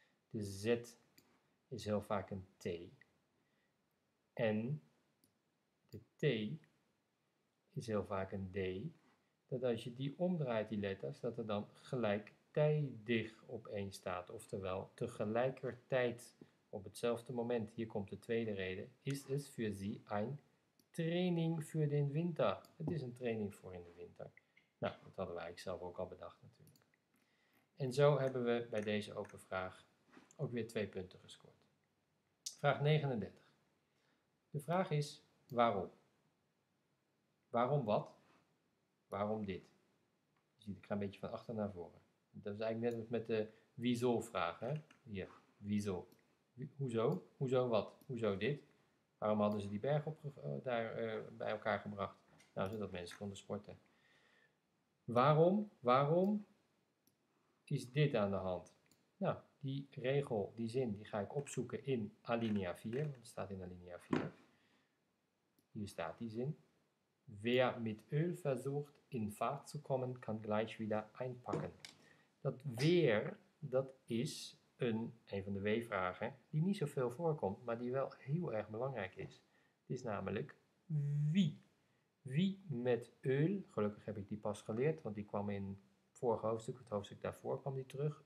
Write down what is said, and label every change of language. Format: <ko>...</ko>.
<nl>De Z is heel vaak een T. En de T is heel vaak een D. Dat als je die omdraait, die letters, dat er dan gelijk tijdig op één staat, oftewel tegelijkertijd op hetzelfde moment. Hier komt de tweede reden.</nl> <de>Is es für Sie ein Training für den Winter?</de> <nl>Het is een training voor in de winter. Nou, dat hadden wij eigenlijk zelf ook al bedacht natuurlijk. En zo hebben we bij deze open vraag ook weer 2 punten gescoord. Vraag 39. De vraag is waarom? Waarom wat? Waarom dit? Je ziet, ik ga een beetje van achter naar voren. Dat is eigenlijk net als met de wieso-vraag. Hier, wieso. Hoezo? Hoezo wat? Hoezo dit? Waarom hadden ze die berg bij elkaar gebracht? Nou, zodat mensen konden sporten. Waarom? Waarom is dit aan de hand? Nou, die regel, die zin, die ga ik opzoeken in alinea 4. Want het staat in alinea 4. Hier staat die zin.</nl> <de>Wer mit Öl versucht in Fahrt zu kommen, kann gleich wieder einpacken.</de> <nl>Dat weer, dat is een van de W-vragen die niet zoveel voorkomt, maar die wel heel erg belangrijk is. Het is namelijk wie. Wie met Öl, gelukkig heb ik die pas geleerd, want die kwam in het vorige hoofdstuk, het hoofdstuk daarvoor kwam die terug.</nl>